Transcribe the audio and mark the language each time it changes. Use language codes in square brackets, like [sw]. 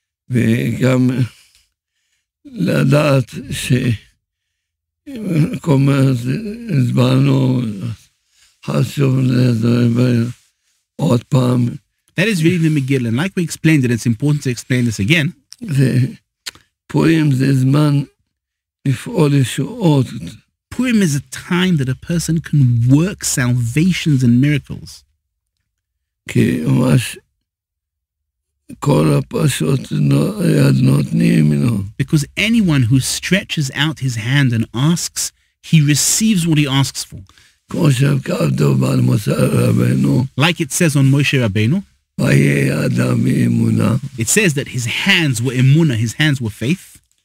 [he] וגם לדעת שכל מה שהזברנו חשוב לדבר עוד פעם. [en] That is really the Megillah. And like we explained it, it's important to explain this again. [he] Purim זה זמן לפעול ישועות. [en] Purim is a time that a person can work salvations and miracles. [he] כי ממש כל הפשוט יד נותנים לו. [en] Because anyone who stretches out his hand and asks, he receives what he asks for. [he] כמו שכתוב על משה רבנו. [en] Like it says on Moshe Rabbeinu. It says that his hands were emunah, his hands were faith.